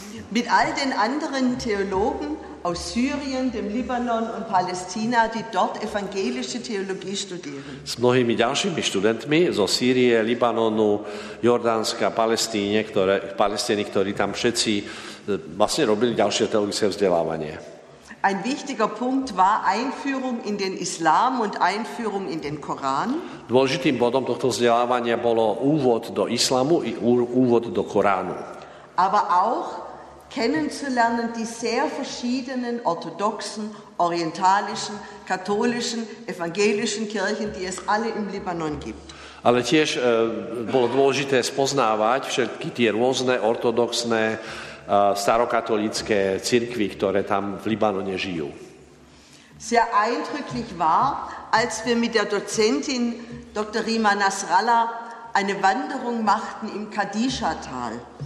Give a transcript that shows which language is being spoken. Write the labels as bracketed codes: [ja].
[de] Mit all den anderen Theologen aus Syrien, dem Libanon und Palästina, die dort evangelische Theologie studieren. [sk] S mnohými ďalšími študentmi zo Sýrie, Libanonu, Jordánska, Palestíny, ktorí tam všetci vlastne robili ďalšie teologické vzdelávanie. [de] Ein wichtiger Punkt war Einführung in den Islam und Einführung in den Koran. [sk] Dôležitým bodom tohto vzdelávania bolo úvod do islamu i úvod do Koránu. [de] Aber auch kennenzulernen die sehr verschiedenen orthodoxen, orientalischen, katholischen, evangelischen Kirchen, die es alle im Libanon gibt. [sk] Ale tiež bolo dôležité spoznávať všetky tie rôzne ortodoxné, starokatolické cirkvi, ktoré tam v Libanone žijú. [de] Sehr eindrücklich war, als wir mit der Dozentin Dr. Rima Nasrallah eine Wanderung machten im Kadisha-Tal.